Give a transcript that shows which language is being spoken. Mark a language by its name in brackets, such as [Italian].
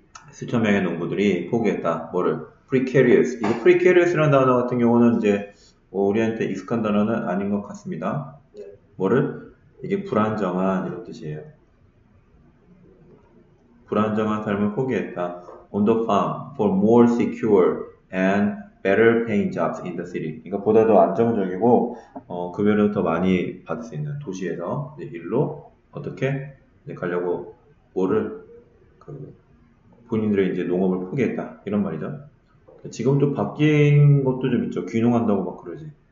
[Korean] 수천 명의 농부들이 포기했다. 뭐를? Precarious. 이거 precarious라는 단어 같은 경우는 이제 우리한테 익숙한 단어는 아닌 것 같습니다. 뭐를? 이게 불안정한 이런 뜻이에요. 불안정한 삶을 포기했다. [English] On the farm for more secure and better paying jobs in the city. [Korean] 그러니까 보다 더 안정적이고 급여를 더 많이 받을 수 있는 도시에서 이제 일로 어떻게 이제 가려고 뭐를 그 본인들의 이제 농업을 포기했다 이런 말이죠. 지금 또 바뀐 것도 좀 있죠. 귀농한다고 막 그러지.